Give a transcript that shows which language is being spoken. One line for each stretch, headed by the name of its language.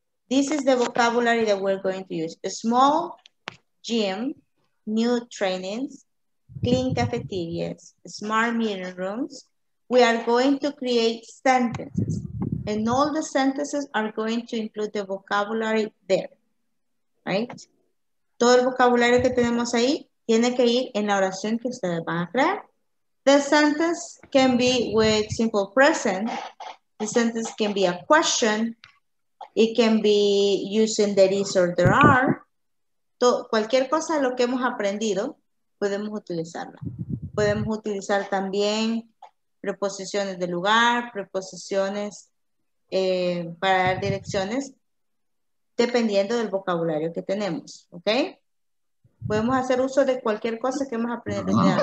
English: This is the vocabulary that we're going to use. A small gym, new trainings, clean cafeterias, smart meeting rooms. We are going to create sentences, and all the sentences are going to include the vocabulary there, right?
Spanish: Todo el vocabulario que tenemos ahí tiene que ir en la oración que ustedes van a crear.
English: The sentence can be with simple present. The sentence can be a question. It can be using there is or there are.
Spanish: Cualquier cosa de lo que hemos aprendido, podemos utilizarla. Podemos utilizar también preposiciones de lugar, preposiciones para dar direcciones, dependiendo del vocabulario que tenemos, ¿ok? Podemos hacer uso de cualquier cosa que hemos aprendido.